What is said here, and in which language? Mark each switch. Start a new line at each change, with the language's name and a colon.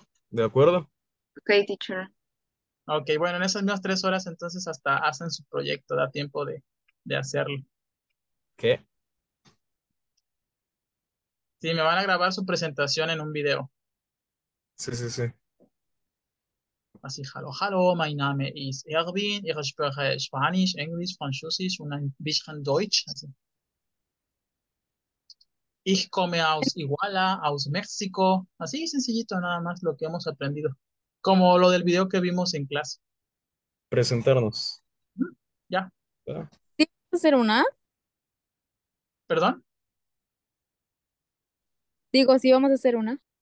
Spanish: De acuerdo.
English: Okay, teacher.
Spanish: Ok, bueno, en esas mismas 3 horas entonces hasta hacen su proyecto, da tiempo de hacerlo. ¿Qué? Sí, me van a grabar su presentación en un video. Sí.
German: Así,
English: hello, hello, my name is Erwin,
German: ich spreche Spanisch, Englisch, Französisch und ein bisschen Deutsch. Así. Ich komme aus Iguala, aus México.
Spanish: Así sencillito, nada más lo que hemos aprendido. Como lo del video que vimos en clase. Presentarnos. Ya. ¿Verdad? ¿Tienes que hacer una? ¿Perdón? Digo, sí, vamos a hacer una.